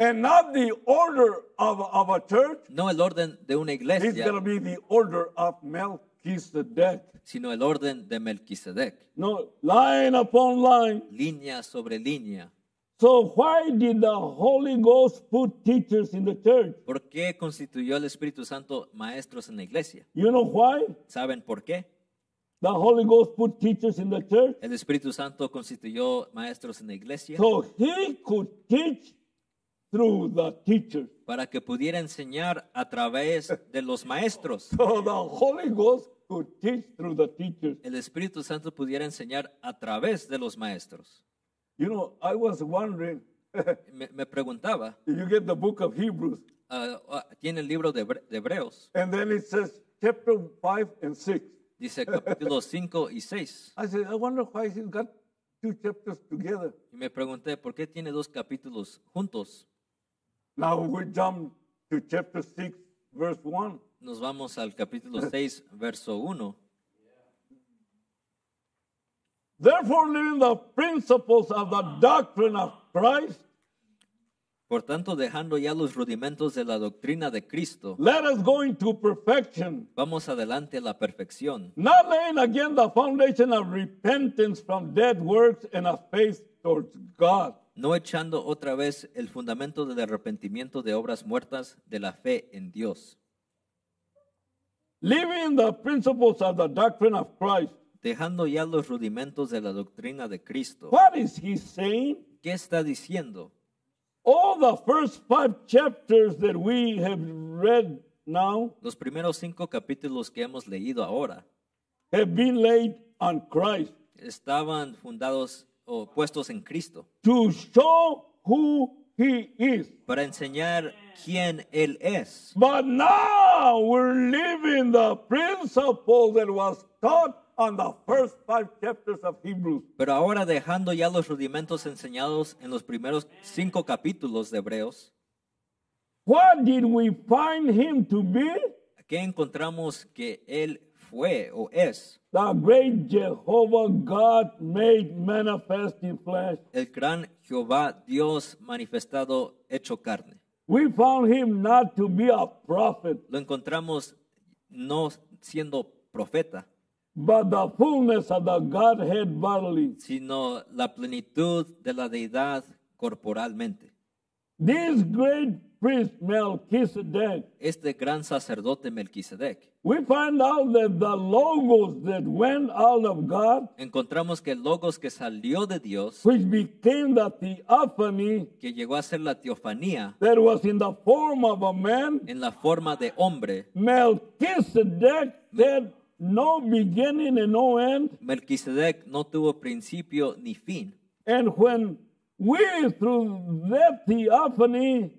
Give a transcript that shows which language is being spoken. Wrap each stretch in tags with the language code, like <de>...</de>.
<en>And not the order of a church.</en> <es>No el orden de una iglesia.</es> <en>It's going to be the order of Melchizedek.</en> <es>Sino el orden de Melquisedec.</es> <en>No, line upon line.</en> <es>Línea sobre línea.</es> <en>So why did the Holy Ghost put teachers in the church?</en> <es>¿Por qué constituyó el Espíritu Santo maestros en la iglesia?</es> <en>You know why?</en> <es>¿Saben por qué?</es> <en>The Holy Ghost put teachers in the church.</en> <es>El Espíritu Santo constituyó maestros en la iglesia.</es> <en>So he could teach through the teachers.</en> <es>Para que pudiera enseñar a través de los maestros.</es> <en>So the Holy Ghost could teach through the teachers.</en> <es>El Espíritu Santo pudiera enseñar a través de los maestros.</es> <en>You know, I was wondering.</en> <es>me preguntaba.</es> <en>You get the book of Hebrews.</en> <es>Tiene el libro de Hebreos.</es> <en>And then it says chapter 5 and 6.</en> <es>Dice capítulo 5 y 6.</es> <en>I said, I wonder why he's got two chapters together.</en> <es>Y me pregunté, ¿por qué tiene dos capítulos juntos?</es> <en>Now we jump to chapter 6, verse 1.</en> <es>Nos vamos al capítulo 6, verso 1.</es> <en>Therefore, leaving the principles of the doctrine of Christ,</en> <es>por tanto, dejando ya los rudimentos de la doctrina de Cristo,</es> <en>let us go into perfection.</en> <es>Vamos adelante a la perfección.</es> <en>Not laying again the foundation of repentance from dead works and of faith towards God.</en> <es>No echando otra vez el fundamento del arrepentimiento de obras muertas de la fe en Dios.</es> <en>Leaving the principles of the doctrine of Christ.</en> <es>Dejando ya los rudimentos de la doctrina de Cristo.</es> <en>What is he saying?</en> <es>¿Qué está diciendo?</es> <en>All the first five chapters that we have read now.</en> <es>Los primeros cinco capítulos que hemos leído ahora.</es> <en>Have been laid on Christ.</en> <es>Estaban fundados o puestos en Cristo.</es> <en>To show who he is.</en> <es>Para enseñar quién él es.</es> <en>But now we're leaving the principle that was taught on the first five chapters of Hebrews.</en> <es>Pero ahora dejando ya los rudimentos enseñados en los primeros cinco capítulos de Hebreos.</es> <en>What did we find him to be?</en> <es>¿A qué encontramos que él fue o es?</es> <en>The great Jehovah God made manifest in flesh.</en> <es>El gran Jehová Dios manifestado hecho carne.</es> <en>We found him not to be a prophet.</en> <es>Lo encontramos no siendo profeta.</es> <en>But the fullness of the Godhead bodily.</en> <es>Sino la plenitud de la deidad corporalmente.</es> <en>This great priest Melchizedek.</en> <es>Este gran sacerdote Melchizedek.</es> <en>We find out that the logos that went out of God.</en> <es>Encontramos que el logos que salió de Dios.</es> <en>Which became the theophany.</en> <es>Que llegó a ser la teofanía.</es> <en>That was in the form of a man.</en> <es>En la forma de hombre.</es> <en>Melchizedek said. No beginning and no end.</en> <es>Melquisedec no tuvo principio ni fin.</es> <en>And when we through that theophany,</en>